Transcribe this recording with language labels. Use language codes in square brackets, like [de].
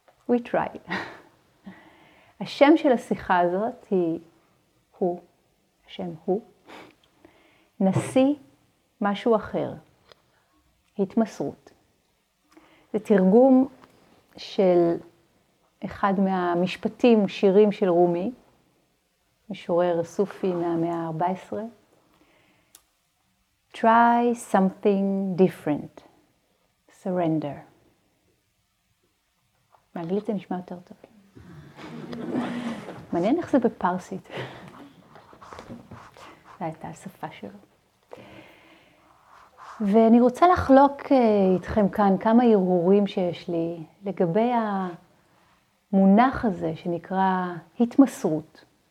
[en] We try. [he] השם של השיחה הזאת הוא, נשיא משהו אחר, התמסרות. זה תרגום של אחד מהמשפטים, שירים של רומי, משורר סופי מהמאה ה-14. [en] Try something different. Surrender. [he] באנגלית זה נשמע יותר טוב. מעניין איך זה בפרסית. זה הייתה השפה שלו. ואני רוצה לחלוק איתכם כאן כמה הרהורים שיש לי לגבי המונח הזה שנקרא התמסרות.